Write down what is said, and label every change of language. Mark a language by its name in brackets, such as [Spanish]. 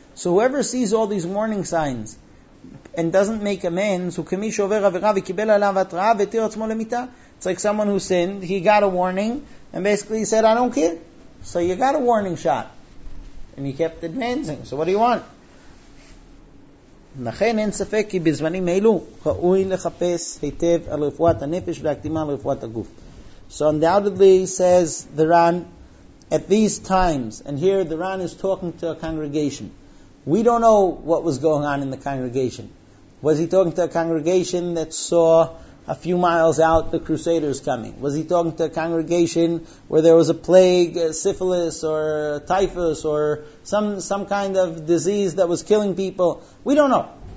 [English] So whoever sees all these warning signs and doesn't make amends, [Hebrew] kemi shover avera ve'kibel alav hatra'a ve'tir atzmo lemita. [English] It's like someone who sinned, he got a warning and basically he said, I don't care. So you got a warning shot and he kept advancing. So what do you want? [Hebrew] לכן אין ספק כי בזמנים אלו ראוי לחפש היטב על רפואת הנפש והקדימה על רפואת הגוף. [English] So undoubtedly, says the Ran, at these times, and here the Ran is talking to a congregation. We don't know what was going on in the congregation. Was he talking to a congregation that saw a few miles out the crusaders coming? Was he talking to a congregation where there was a plague, syphilis or typhus or some kind of disease that was killing people? We don't know.